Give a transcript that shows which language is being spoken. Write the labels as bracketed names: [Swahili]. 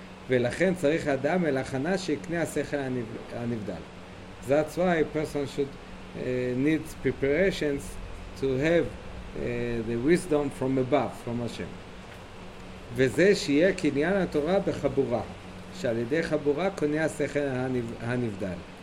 [Hebrew] ולכן צריך אדם אל הכנה שיקנה השכל הנבדל. [English] That's why a person should need preparations to have the wisdom from above, from Hashem. [Hebrew] וזה שיהיה קניין התורה בחבורה, שעל ידי חבורה קונה השכל הנבדל.